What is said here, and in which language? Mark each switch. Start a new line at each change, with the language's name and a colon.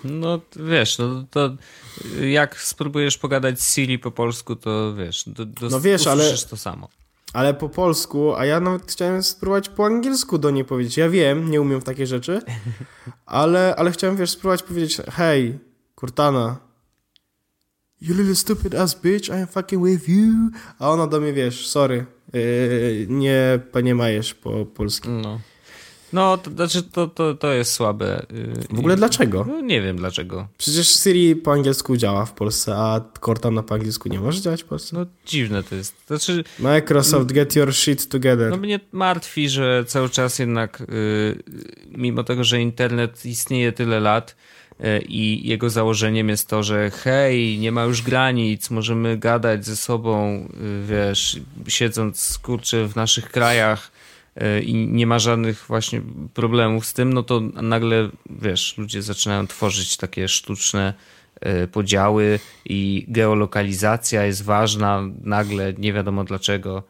Polish: No wiesz, no to jak spróbujesz pogadać z Siri po polsku, to wiesz, usłyszysz ale, to samo. Ale po polsku, a ja nawet chciałem spróbować po angielsku do niej powiedzieć. Ja wiem, nie umiem w takie rzeczy, ale chciałem, wiesz, spróbować powiedzieć, hej, Cortana.
English: You little stupid ass bitch, I am fucking with you.
Polish: A ona do mnie, wiesz, sorry, nie, panie Majesz po polskim. No, no to znaczy to jest słabe. W ogóle dlaczego? No, nie wiem dlaczego. Przecież Siri po angielsku działa w Polsce, a Cortana po angielsku nie może działać w Polsce. No dziwne to jest. Znaczy,
English: Microsoft, get your shit together.
Polish: No mnie martwi, że cały czas jednak, mimo tego, że internet istnieje tyle lat, i jego założeniem jest to, że hej, nie ma już granic, możemy gadać ze sobą, wiesz, siedząc, kurczę, w naszych krajach i nie ma żadnych właśnie problemów z tym, no to nagle, wiesz, ludzie zaczynają tworzyć takie sztuczne podziały i geolokalizacja jest ważna nagle, nie wiadomo dlaczego.